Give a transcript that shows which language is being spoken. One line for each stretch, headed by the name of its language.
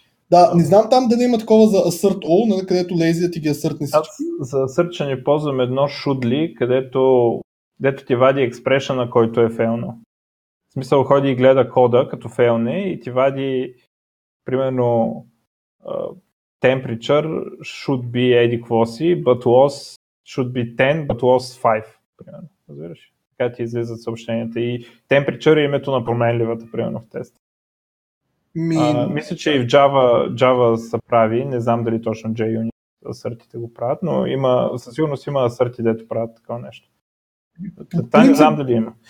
Bulgarian: Да, не знам там да не има такова за assert all, където lazy да ти ги асъртни всички. Аз за assert ще не ползвам едно shouldly, където ти вади експрешена, който е фейлно. В смисъл, ходи и гледа кода като фейлне и ти вади примерно
English: temperature should be
Bulgarian: еди кво си,
English: but loss should be 10, but loss 5.
Bulgarian: Примерно. Разбираш? Така ти излизат съобщенията. И temperature е името на променливата, примерно, в теста. Мисля, че и в Java се прави, не знам дали точно JUnit асъртите го правят, но има, със сигурност има асърти, дето правят такова нещо. Та не знам дали има.